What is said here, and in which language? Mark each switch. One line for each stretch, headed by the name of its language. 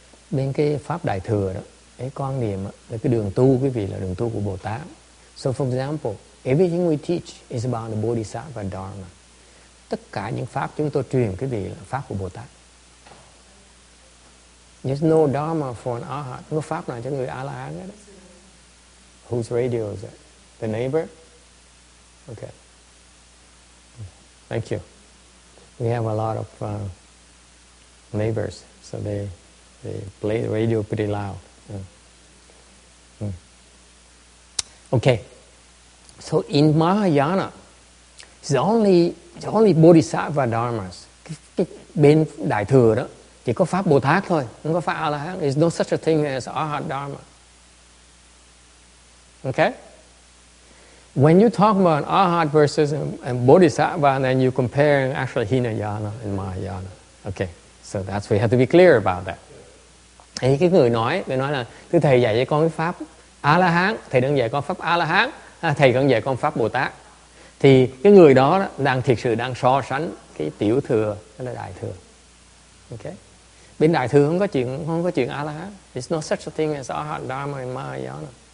Vietnamese: Bên cái pháp đại thừa đó, cái quan niệm là cái đường tu, quý vị, là đường tu của Bồ Tát.
English: So for example, everything we teach is about the bodhisattva dharma.
Vietnamese: Tất cả những pháp chúng tôi truyền, quý vị, là pháp của Bồ Tát.
English: There's no dharma for an arhat.
Vietnamese: No pháp nào cho người A-la-hán hết.
English: Whose radio is it? The neighbor? Okay. Thank you. We have a lot of neighbors, so they play the radio pretty loud. Okay. So in Mahayana, it's only Bodhisattva Dharmas.
Vietnamese: Bên Đại Thừa đó, chỉ có Pháp Bồ Tát thôi. Không có Pháp A-la-hán.
English: There's no such a thing as Arhat Dharma. Okay? When you talk about Arhat versus and Bodhisattva, and then you compare actually Hinayana and Mahayana. Okay. So that's why you have to be clear about that.
Vietnamese: Thì cái người nói là thưa thầy dạy cho con cái pháp A-la-hán, thầy đang dạy con pháp A-la-hán, thầy đang dạy con pháp Bồ-Tát. Thì cái người đó, đó đang thiệt sự đang so sánh cái tiểu thừa với đại thừa. Okay? Bên đại thừa không có chuyện A-la-hán.
English: It's not such a thing as Arhat Dharma and Mahayana.